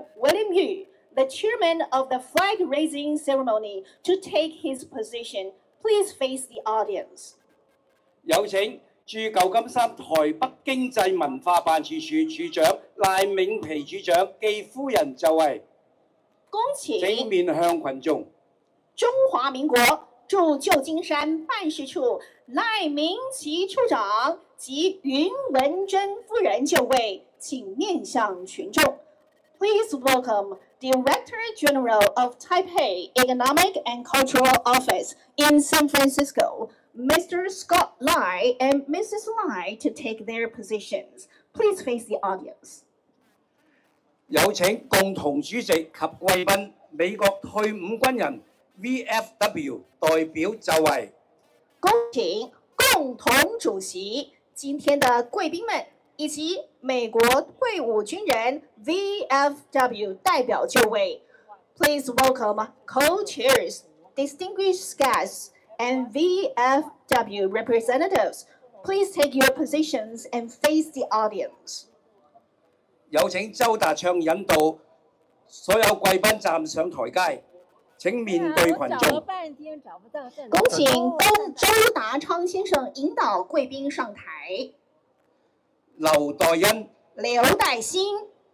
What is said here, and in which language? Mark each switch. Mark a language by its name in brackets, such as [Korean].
[English] William Yu, the chairman of the flag raising ceremony, to take his position. Please face the audience. [Chinese] 有请驻旧金山台北经济文化办事处处长赖铭皮处长暨夫人就位。恭请。请面向群众。中华民国。驻旧金山办事处赖铭皮处长及云文珍夫人就位，请面向群众。 [English] Please welcome Director General of Taipei Economic and Cultural Office in San Francisco, Mr. Scott Lai and Mrs. Lai to take their positions. Please face the audience. [Chinese] 有请共同主席及贵宾美国退伍军人。 VFW 代表就位，恭请共同主席、今天的贵宾们以及美国退伍军人 VFW 代表就位。 [English] Please welcome co-chairs, distinguished guests, and VFW representatives. Please take your positions and face the audience. [Chinese] 有请周达昌引导所有贵宾站上台阶。请面对群众。恭请公周达昌先生引导贵宾上台。刘代恩、刘代新、